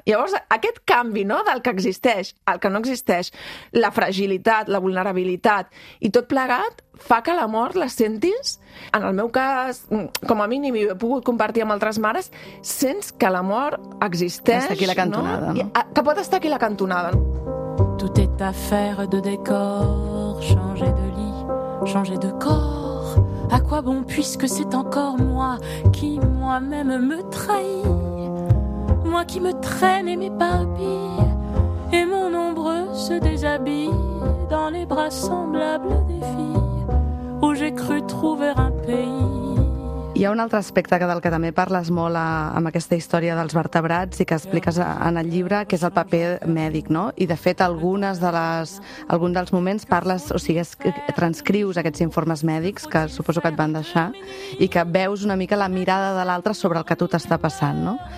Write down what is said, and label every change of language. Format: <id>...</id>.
<ca>Llavors, aquest canvi, no?, del que existeix al que no existeix, la fragilitat, la vulnerabilitat i tot plegat, fa que la mort la sentis, en el meu cas, com a mínim, i ho he pogut compartir amb altres mares, sents que la mort existeix... Està aquí la cantonada, no? Que pot estar aquí la cantonada.</ca> <fr>Tout est affaire de décor, changer de lit, changer de corps. À quoi bon, puisque c'est encore moi qui moi-même me trahis, moi qui me traîne et m'éparpille, et mon ombre se déshabille dans les bras semblables des filles où j'ai cru trouver un pays.</fr> <ca>Hi ha un altre aspecte del que també parles molt amb aquesta història dels vertebrats i que expliques en el llibre, que és el paper mèdic, no? I, de fet, algun dels moments parles, o sigui, transcrius aquests informes mèdics que suposo que et van deixar i que veus una mica la mirada de l'altre sobre el que a tu t'està passant, no?</ca>